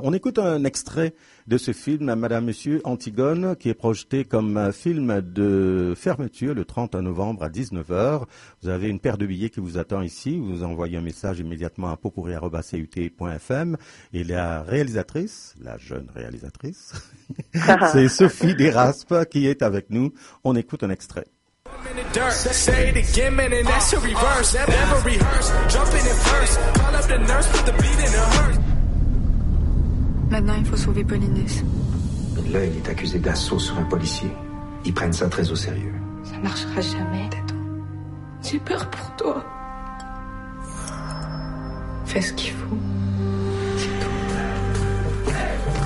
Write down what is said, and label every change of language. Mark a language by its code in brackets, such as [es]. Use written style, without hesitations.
[fr] On écoute un extrait de ce film, Madame, Monsieur, Antigone, qui est projeté comme film de fermeture le 31 novembre à 19h. Vous avez une paire de billets qui vous attend ici. Vous envoyez un message immédiatement à popourri@cut.fm. Et la jeune réalisatrice, c'est Sophie Deraspe qui est avec nous. On écoute un extrait. [en] In the dirt, say it again, man, and that's a reverse. Never rehearse, jumping in first. Call up the nurse, put the beat in her heart. [fr] Maintenant, il faut sauver Polynes. Là, il est accusé d'assaut sur un policier. Ils prennent ça très au sérieux. Ça marchera jamais, Tato. J'ai peur pour toi. Fais ce qu'il faut. C'est tout.